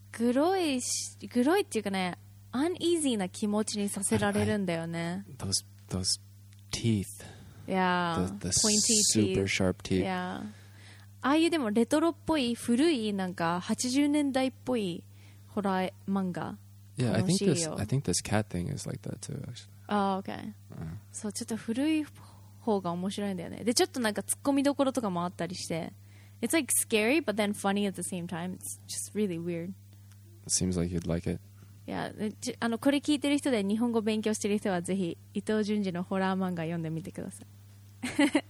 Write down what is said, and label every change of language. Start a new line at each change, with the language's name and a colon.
Japanese: グロいっていうかね、アンイーズーな気持ちにさせられるんだよね。
English: those teeth、 yeah. the pointy teeth. Super sharp teeth、 yeah.
Japanese: ああいうでもレトロっぽい古いなんか80年代っぽいホラー漫画、 yeah, 楽しいよ。
English: I think this cat thing is like that too actually. Oh, okay.
Japanese: そう、ちょっと古い方が面白いんだよね。でちょっとなんか突っ込みどころとかもあったりして、
English: It's like scary but then funny at the same time. It's just really weird. It seems like you'd like it.
Japanese: Yeah, あのこれ聞いてる人で日本語勉強してる人はぜひ伊藤潤二のホラー漫画読んでみてください。